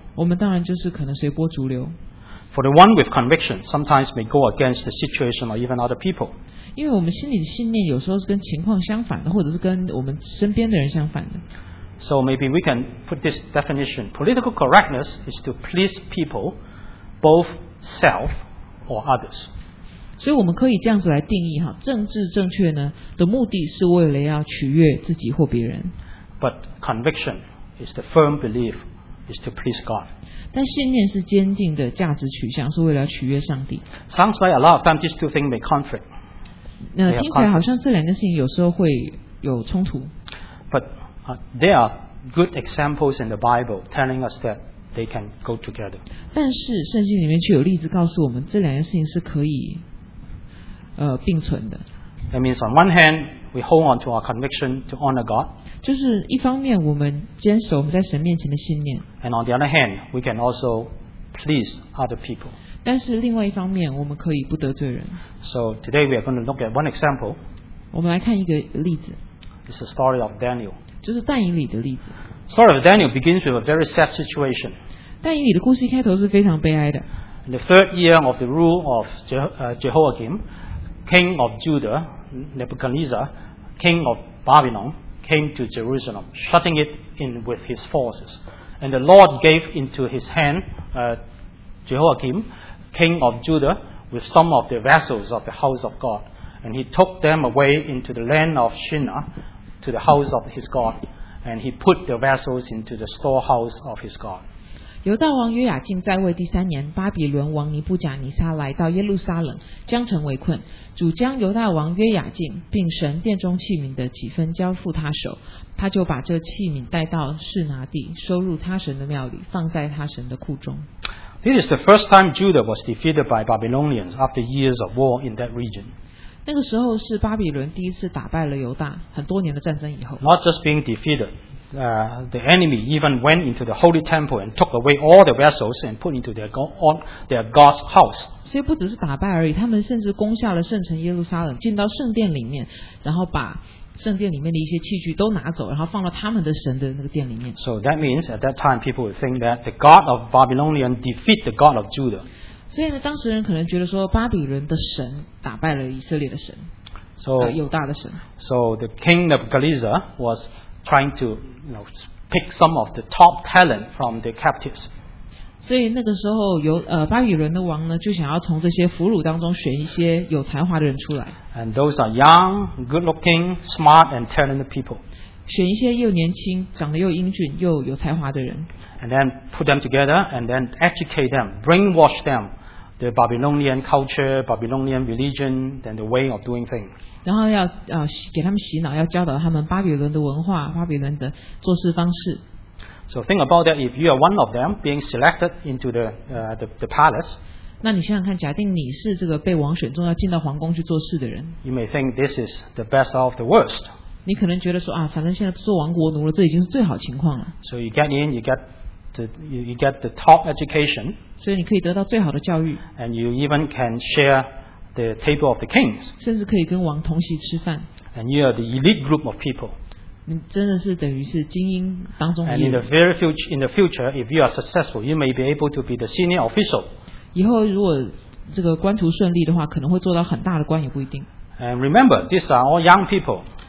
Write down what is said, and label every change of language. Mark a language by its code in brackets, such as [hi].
[zh] 我们当然就是可能随波逐流。 [en] For the one with conviction, sometimes may go against the situation or even other people. [zh] 因为我们心里的信念有时候是跟情况相反的，或者是跟我们身边的人相反的。 [en] So maybe we can put this definition. Political correctness is to please people, both self or others. [zh] 所以我们可以这样子来定义哈，政治正确呢的目的是为了要取悦自己或别人。 [en] But conviction is the firm belief is to please God. [zh] 但信念是坚定的价值取向，是为了要取悦上帝。 [en] Sounds like a lot of times these two things may conflict. [zh] 那听起来好像这两件事情有时候会有冲突。 [en] But there are good examples in the Bible telling us that they can go together. [zh] 但是圣经里面却有例子告诉我们这两件事情是可以并存的。 [en] That means on one hand, we hold on to our conviction to honor God. [zh] 就是一方面我们坚守我们在神面前的信念。 [en] And on the other hand, we can also please other people. [zh] 但是另外一方面我们可以不得罪人。 [en] So today we are going to look at one example. [zh] 我们来看一个例子。 [en] It's the story of Daniel. [zh] 就是但以理的例子。 [en] Story of Daniel begins with a very sad situation. [zh] 但以理的故事一开头是非常悲哀的。 [en] In the third year of the rule of Jehoiakim, king of Judah, Nebuchadnezzar, king of Babylon, came to Jerusalem, shutting it in with his forces. And the Lord gave into his hand Jehoiakim, king of Judah, with some of the vessels of the house of God. And he took them away into the land of Shinar,to the house of his God, and he put the vessels into the storehouse of his God. [zh] 犹大王约雅敬在位第三年，巴比伦王尼布甲尼撒来到耶路撒冷，将城围困。主将犹大王约雅敬并神殿中器皿的几分交付他手，他就把这器皿带到示拿地，收入他神的庙里，放在他神的库中。 [en] This is the first time Judah was defeated by Babylonians after years of war in that region. [zh] 那个时候是巴比伦第一次打败了犹大，很多年的战争以后。 [en] Not just being defeated, the enemy even went into the holy temple and took away all the vessels and put into their God's house. [zh] 所以不只是打败而已，他们甚至攻下了圣城耶路撒冷，进到圣殿里面，然后把圣殿里面的一些器具都拿走，然后放到他们的神的那个殿里面。 [en] So that means at that time people would think that the God of Babylonian defeated the God of Judah. [zh] 所以呢，当时人可能觉得说，巴比伦的神打败了以色列的神， so, 犹大的神。 [en] So the king of Gaza was trying to, you know, pick some of the top talent from the captives. [zh] 所以那个时候巴比伦的王呢，就想要从这些俘虏当中选一些有才华的人出来。 [en] And those are young, good-looking, smart, and talented people. [zh] 选一些又年轻、长得又英俊、又有才华的人。 [en] And then put them together, and then educate them, brainwash them, the Babylonian culture, Babylonian religion, and the way of doing things. [zh] 然后要给他们洗脑，要教导他们巴比伦的文化、巴比伦的做事方式。 [en] So think about that. If you are one of them being selected into the palace. [zh] 那你想想看，假定你是这个被王选中要进到皇宫去做事的人。 [en] You may think this is the best of the worst. [zh] 你可能觉得说啊，反正现在做王国奴了，这已经是最好情况了。 [en] So you get in, you get the top education. [zh] 所以你可以得到最好的教育。 [en] And you even can share the table of the kings. [zh] 甚至可以跟王同席吃饭。 [en] And you are the elite group of people. [zh] 真的是等于是精英当中的。 [en] And in the very future, in the future, if you are successful, you may be able to be the senior official. [zh] 以后如果这个官途顺利的话，可能会做到很大的官也不一定。 [en] And remember, these are all young people.